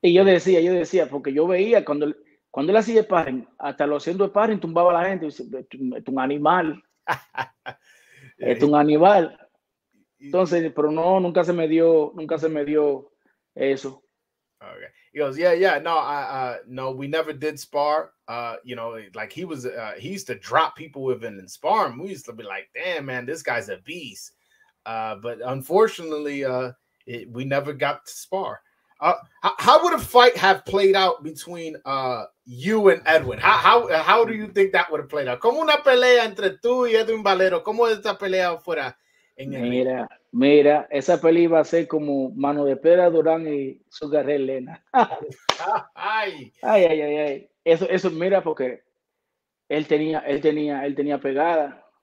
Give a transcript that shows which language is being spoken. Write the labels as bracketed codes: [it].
[es] Y yo decía, porque yo veía cuando él hacía el sparring, hasta lo haciendo el sparring, tumbaba a la gente. Es un animal. Es un animal. Entonces, pero no, nunca se me dio eso. [en] Okay. He goes, yeah, no, no, we never did spar. You know, like he used to drop people with him and spar him. We used to be like, damn, man, this guy's a beast. But unfortunately, we never got to spar. How would a fight have played out between you and Edwin? How do you think that would have played out? [es] ¿Cómo una pelea entre tú y Edwin Valero? ¿Cómo esta pelea fuera en el ring? Mira, mira, esa peli iba a ser como Mano de Pedra Durán y Sugar Ray Leonard. Ay, Ay. ay, ay, ay. Eso, mira, porque él tenía pegada.